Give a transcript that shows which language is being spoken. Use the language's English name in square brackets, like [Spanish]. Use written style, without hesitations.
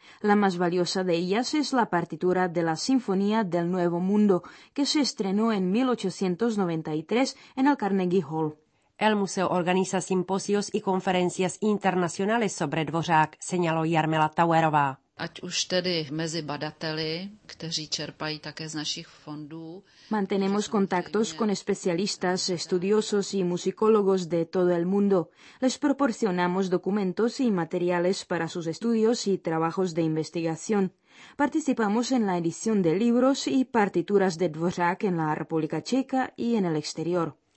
[Spanish] La más valiosa de ellas es la partitura de la Sinfonía del Nuevo Mundo, que se estrenó en 1893 en el Carnegie Hall. El museo organiza simposios y conferencias internacionales sobre Dvořák, señaló Jarmila Tauerová. [Czech] Ať už tedy mezi badateli, kteří čerpají také z našich fondů. [Spanish] Mantenemos contactos con especialistas, estudiosos y musicólogos de todo el mundo. Les proporcionamos documentos y materiales para sus estudios y trabajos de investigación. Participamos en la edición de libros y partituras de Dvořák en la República Checa y en el exterior.